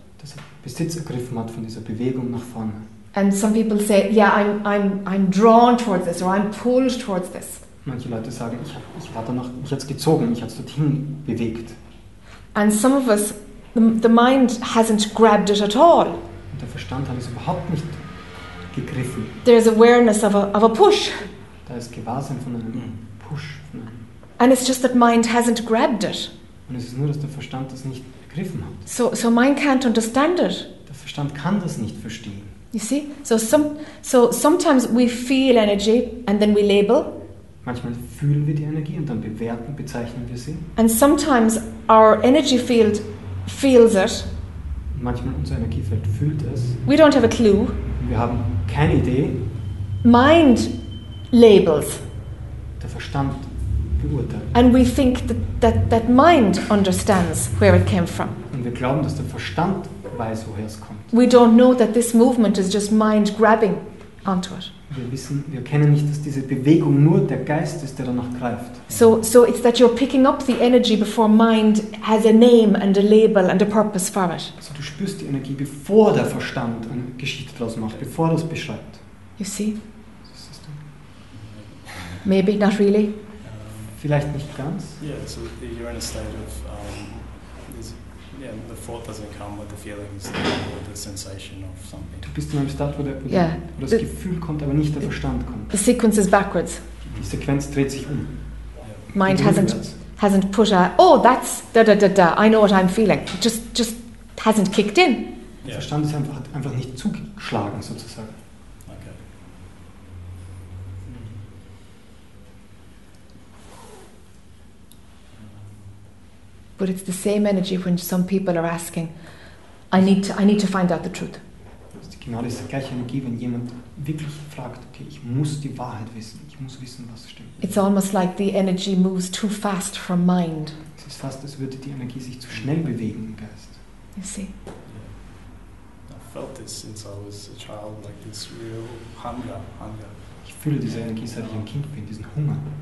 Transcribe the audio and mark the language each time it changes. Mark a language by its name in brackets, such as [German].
[German] Dass er Besitz ergriffen hat von dieser Bewegung nach vorne. [English] And some people say, yeah, I'm drawn towards this or I'm pulled towards this. [German] Manche Leute sagen, ich hab's dorthin bewegt. [English] And some of us, the mind hasn't grabbed it at all. [German] Und der Verstand hat es überhaupt nicht gegriffen. [English] There's awareness of a push. [German] Da ist Gewahrsein von einem Push. Von einem. [English] And it's just that mind hasn't grabbed it. [German] Und es ist nur, dass der Verstand das nicht gegriffen hat. [English] So mind can't understand it. [German] Der Verstand kann das nicht verstehen. [English] You see? So sometimes we feel energy and then we label. [German] Manchmal fühlen wir die Energie und dann bewerten, bezeichnen wir sie. [English] And sometimes our energy field feels it. [German] Manchmal unser Energiefeld fühlt es. [English] We don't have a clue. [German] Wir haben keine Idee. [English] mind labels. [German] Der Verstand beurteilt. [English] And we think that mind understands where it came from. [German] Und wir glauben, dass der Verstand weiß, woher es kommt. [English] We don't know that this movement is just mind grabbing onto it. [German] Wir kennen nicht, dass diese Bewegung nur der Geist ist, der danach greift. [English] So it's that you're picking up the energy before mind has a name and a label and a purpose for it. [German] So du spürst die Energie, bevor der Verstand eine Geschichte draus macht, bevor er es beschreibt. [English] You see? Maybe not really. [German] Vielleicht nicht ganz. [English] Yeah, so you're in a state of the thought doesn't come with the feelings or the sensation of something. [German] Du bist in einem Start, wo das Gefühl kommt, aber nicht der Verstand kommt. [English] The sequence is backwards. [German] Die Sequenz dreht sich um. [English] Yeah. Mind hasn't put a that's da da da da. I know what I'm feeling. It just hasn't kicked in. [German] Yeah. Der Verstand ist einfach nicht zugeschlagen sozusagen. [English] But it's the same energy when some people are asking, I need to find out the truth. [German] Das ist genau diese gleiche Energie, wenn jemand wirklich fragt, okay, ich muss die Wahrheit wissen, ich muss wissen, was stimmt. [English] It's almost like the energy moves too fast from mind. [German] Es ist fast, als würde die Energie sich zu schnell bewegen im Geist. [English] You see? Yeah. I felt this since I was a child, like this real hunger. [German] Ich fühle diese Energie, seit ich ein Kind bin, diesen Hunger.